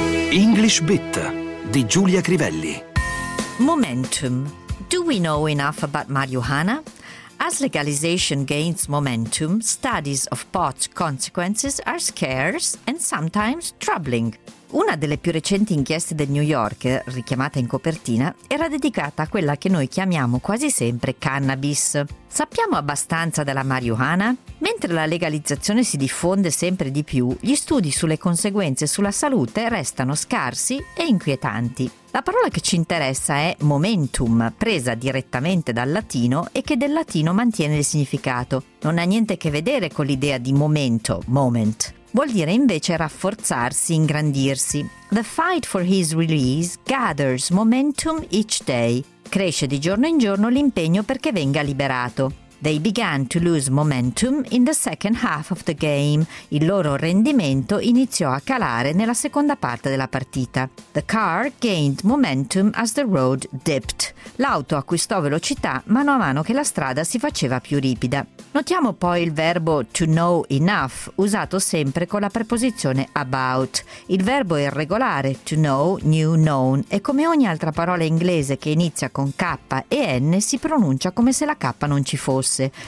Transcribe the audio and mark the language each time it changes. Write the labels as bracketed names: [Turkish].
[Italian] English Bit di Giulia Crivelli. Momentum. [English] Do we know enough about marijuana? As legalization gains momentum, studies of pot consequences are scarce and sometimes troubling. [Italian] Una delle più recenti inchieste del New York, richiamata in copertina, era dedicata a quella che noi chiamiamo quasi sempre cannabis. Sappiamo abbastanza della marijuana? Mentre la legalizzazione si diffonde sempre di più, gli studi sulle conseguenze sulla salute restano scarsi e inquietanti. La parola che ci interessa è momentum, presa direttamente dal latino e che del latino mantiene il significato. Non ha niente a che vedere con l'idea di momento, moment. Vuol dire invece rafforzarsi, ingrandirsi. [English] The fight for his release gathers momentum each day. [Italian] Cresce di giorno in giorno l'impegno perché venga liberato. [English] They began to lose momentum in the second half of the game. [Italian] Il loro rendimento iniziò a calare nella seconda parte della partita. [English] The car gained momentum as the road dipped. [Italian] L'auto acquistò velocità mano a mano che la strada si faceva più ripida. Notiamo poi il verbo to know enough, usato sempre con la preposizione about. Il verbo irregolare to know, new known, e come ogni altra parola inglese che inizia con K e N si pronuncia come se la K non ci fosse.